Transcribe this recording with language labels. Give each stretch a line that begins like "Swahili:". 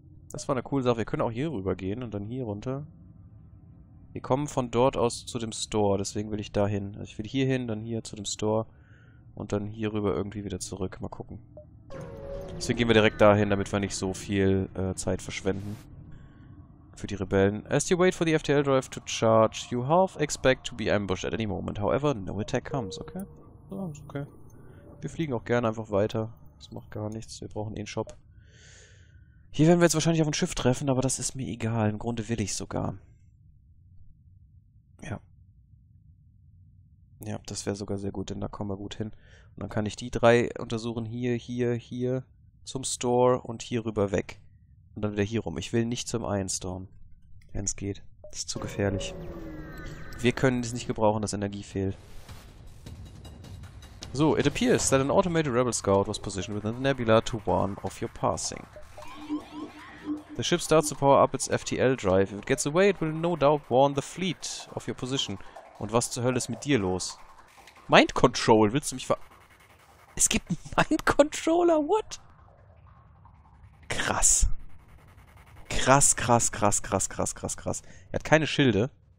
German: Das war eine coole Sache. Wir können auch hier rüber gehen und dann hier runter. Wir kommen von dort aus zu dem Store. Deswegen will ich da hin. Also ich will hier hin, dann hier zu dem Store und dann hier rüber irgendwie wieder zurück. Mal gucken. Deswegen gehen wir direkt dahin, damit wir nicht so viel Zeit verschwenden für die Rebellen.
English: As you wait for the FTL drive to charge, you half expect to be ambushed at any moment. However, no attack comes, okay? Oh, okay.
German: Wir fliegen auch gerne einfach weiter. Das macht gar nichts. Wir brauchen eh einen Shop. Hier werden wir jetzt wahrscheinlich auf ein Schiff treffen, aber das ist mir egal. Im Grunde will ich sogar. Ja. Ja, das wäre sogar sehr gut, denn da kommen wir gut hin. Und dann kann ich die drei untersuchen. Hier, hier, hier. Zum Store und hier rüber weg. Und dann wieder hier rum. Ich will nicht zum Iron Storm. Wenn es geht. Das ist zu gefährlich. Wir können es nicht gebrauchen, dass Energie fehlt.
English: So, it appears that an automated rebel scout was positioned within the nebula to warn of your passing. The ship starts to power up its FTL drive. If it gets away, it will no doubt warn the fleet of your position.
German: Und was zur Hölle ist mit dir los? Mind Control? Willst du mich ver... Es gibt einen Mind Controller? What? Krass. Krass, krass, krass, krass, krass, krass, krass. Er hat keine Schilde.